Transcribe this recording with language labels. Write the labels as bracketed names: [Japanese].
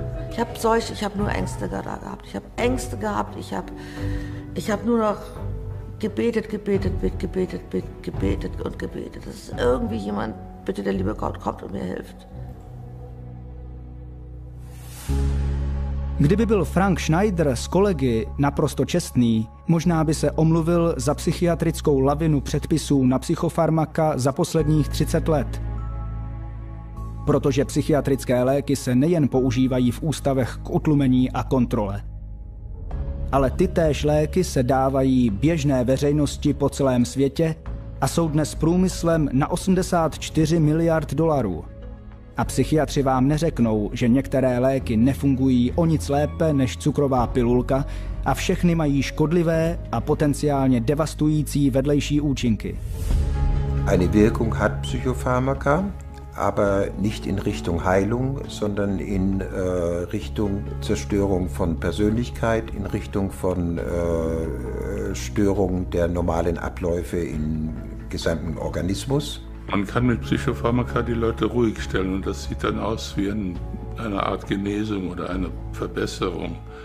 [German] Ich habe nur Ängste da gehabt. Ich habe nur noch gebetet, dass irgendwie jemand, bitte der liebe Gott, kommt und mir hilft. [Czech] Kdyby byl Frank Schneider s kolegy naprosto čestný, možná by se omluvil za psychiatrickou lavinu předpisů na psychofarmaka za posledních 30 let. Protože psychiatrické léky se nejen používají v ústavech k utlumení a kontrole. Ale tytéž léky se dávají běžné veřejnosti po celém světě a jsou dnes průmyslem na 84 miliard dolarů. A psychiatři vám neřeknou, že některé léky nefungují o nic lépe než cukrová pilulka a všechny mají škodlivé a potenciálně devastující vedlejší účinky. [German] Eine Wirkung hat Psychopharmaka, aber nicht in Richtung Heilung, sondern in Richtung Zerstörung von Persönlichkeit, in Richtung von Störung der normalen Abläufe im gesamten Organismus. Man kann mit Psychopharmaka die Leute ruhig stellen und das sieht dann aus wie eine Art Genesung oder eine Verbesserung.